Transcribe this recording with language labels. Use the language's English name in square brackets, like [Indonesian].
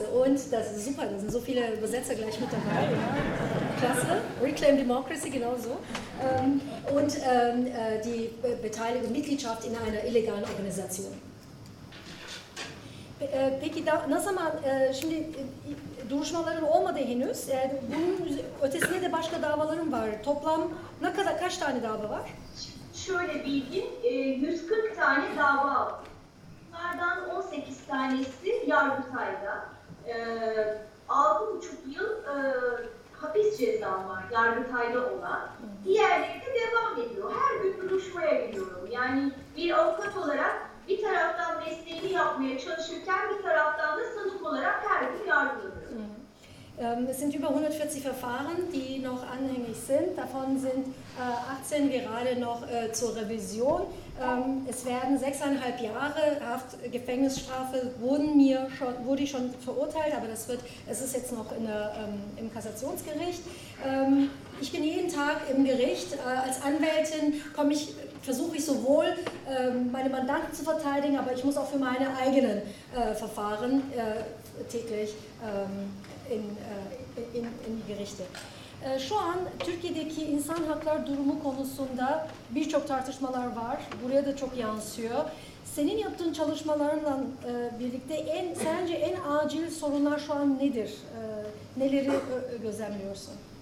[German] Und das ist super, da sind so viele Übersetzer gleich mit dabei. Ja. Klasse. Reclaim Democracy, genauso. Und die beteiligte Mitgliedschaft in einer illegalen Organisation. [Turkish] Peki ne zaman şimdi duruşmaların olmadı henüz. Bunun ötesinde de başka davalarım var. Toplam ne kadar kaç tane dava var? Şöyle bildiğim 140 tane dava var. Bunlardan 18 tanesi Yargıtay'da. 6,5 yıl hapis cezam var Yargıtay'da olan. Diğerleri de devam ediyor. Her gün duruşmaya gidiyorum. Yani bir avukat olarak bir taraftan mesleğimi yapmaya çalışırken bir taraftan da sanık olarak her gün yargılanıyorum. [German] Es sind über 140 Verfahren, die noch anhängig sind. Davon sind 18 gerade noch zur Revision. Es werden 6,5 Jahre Haft, Gefängnisstrafe wurde ich schon verurteilt, aber es ist jetzt noch im Kassationsgericht. Ich bin jeden Tag im Gericht. Als Anwältin versuche ich sowohl meine Mandanten zu verteidigen, aber ich muss auch für meine eigenen Verfahren täglich in die Gerichte. [Turkish] Şu an Türkiye'deki insan hakları durumu konusunda birçok tartışmalar var. Buraya da çok yansıyor. Senin yaptığın çalışmalarla birlikte sence en acil sorunlar şu an nedir? Neleri gözlemliyorsun?